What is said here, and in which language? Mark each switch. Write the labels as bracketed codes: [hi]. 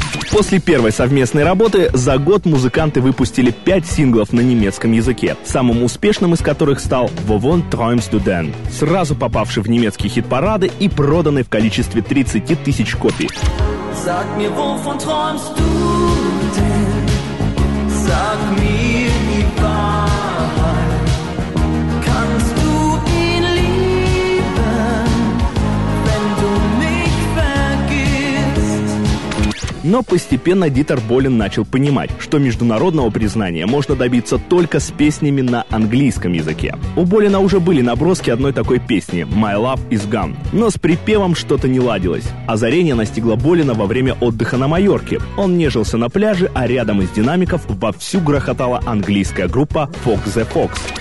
[ru] После первой совместной работы за год музыканты выпустили 5 синглов на немецком языке, самым успешным из которых стал «Wovon träumst du denn», сразу попавший в немецкие хит-парады и проданный в количестве 30 тысяч копий. [de] Sag mir, wovon träumst du denn? Sag mir die Wahrheit. Kannst du ihn lieben, wenn du mich vergisst? [ru] Но постепенно Дитер Болин начал понимать, что международного признания можно добиться только с песнями на английском языке. У Болина уже были наброски одной такой песни «My Love Is Gone», но с припевом что-то не ладилось. Озарение настигло Болина во время отдыха на Майорке. Он нежился на пляже, а рядом из динамиков вовсю грохотала английская группа «Fox the Fox».